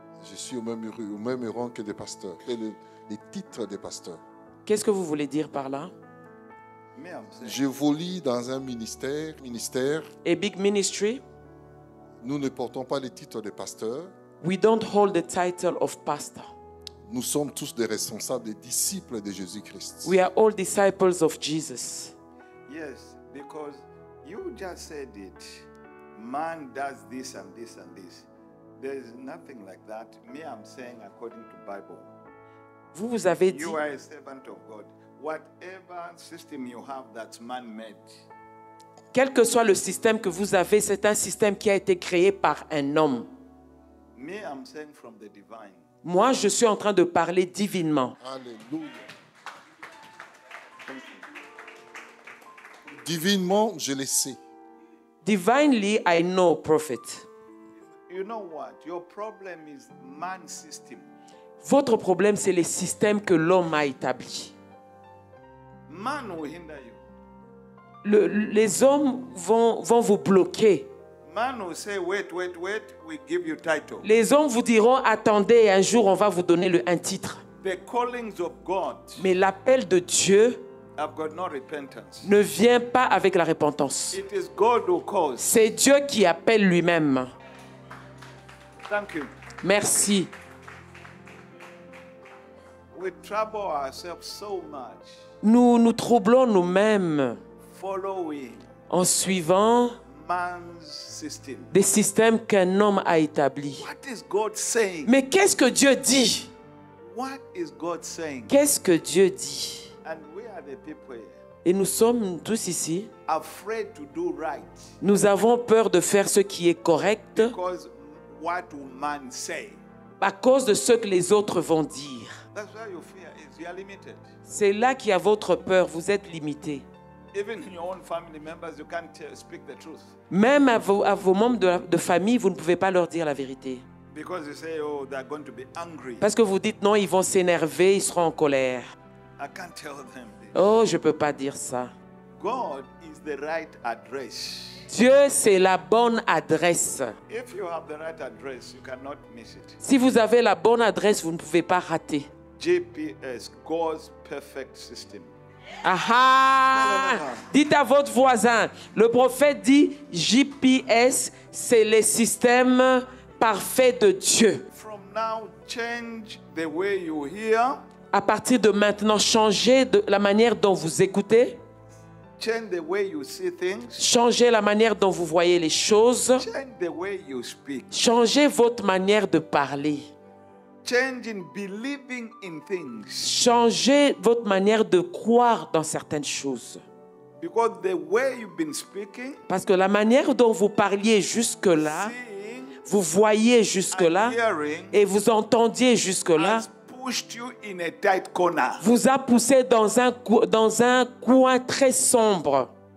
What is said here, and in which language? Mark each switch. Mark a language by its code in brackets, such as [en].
[fr] Je suis au même rang que des pasteurs. Quel est le titre des pasteurs? Qu'est-ce que vous voulez dire par là? J'évolue dans un ministère. [en] A big ministry. [fr] Nous ne portons pas le titre de pasteur. [en] We don't hold the title of pastor. [fr] Nous sommes tous des responsables, des disciples de Jésus-Christ. [en] We are all disciples of Jesus. Yes, because you just said it. Man does this and this and this. There is nothing like that. Me, I'm saying according to Bible. [fr] Vous avez dit. [en] You are a servant of God. Whatever system you have that's man-made. [fr] Quel que soit le système que vous avez, c'est un système qui a été créé par un homme. [en] Me, I'm saying from the divine. [fr] Moi, je suis en train de parler divinement. Alléluia. Divinement, je le sais. [en] Divinely, I know, prophet. You know what? Your problem is man's system. [fr] Votre problème, c'est les systèmes que l'homme a établis. [en] Man will hinder you. [fr] Les hommes vont vous bloquer. [en] Man will say, wait, we give you title. [fr] Les hommes vous diront, attendez, un jour on va vous donner un titre. [en] The callings of God, [fr] mais l'appel de Dieu [en] I've got no repentance. [fr] Ne vient pas avec la repentance. [en] It is God who calls. [fr] C'est Dieu qui appelle lui-même. [en] Thank you. [fr] Merci. [en] We trouble ourselves so much. [fr] Nous nous troublons nous-mêmes [en] following [fr] en suivant [en] man's system. [fr] Des systèmes qu'un homme a établis. [en] What is God saying? [fr] Mais qu'est-ce que Dieu dit? [en] What is God saying? [fr] Qu'est-ce que Dieu dit? [en] And we are the people here. [fr] Et nous sommes tous ici. [en] Afraid to do right. [fr] Nous avons peur de faire ce qui est correct. [en] Because what will man say? [fr] À cause de ce que les autres vont dire. [en] That's why you fear. You are limited. [fr] C'est là qu'il y a votre peur, vous êtes limité. [en] Even your own family members, you can't speak the truth. [fr] Même à vos membres de famille, vous ne pouvez pas leur dire la vérité. [en] Because you say, oh, they're going to be angry. [fr] Parce que vous dites non, ils vont s'énerver, ils seront en colère. [en] I can't tell them this. [fr] Oh, je ne peux pas dire ça. [en] God is the right address. [fr] Dieu, c'est la bonne adresse. [en] If you have the right address, you cannot miss it. [fr] Si vous avez la bonne adresse, vous ne pouvez pas rater. [en] GPS, God's perfect system. Aha! [fr] Dites à votre voisin, le prophète dit GPS, c'est le système parfait de Dieu. [en] From now, change the way you hear. [fr] À partir de maintenant, changez de la manière dont vous écoutez. [en] Change the way you see things. [fr] Changez la manière dont vous voyez les choses. [en] Change the way you speak. [fr] Changez votre manière de parler. [en] Changing, believing in things. [fr] Changez votre manière de croire dans certaines choses. [en] Because the way you've been speaking, [fr] parce que la manière dont vous parliez jusque-là, [en] seeing, [fr] vous voyez jusque-là [en] hearing, [fr] et vous entendiez jusque-là, [en] has pushed you in a tight corner. [fr] Vous a poussé dans un coin très sombre.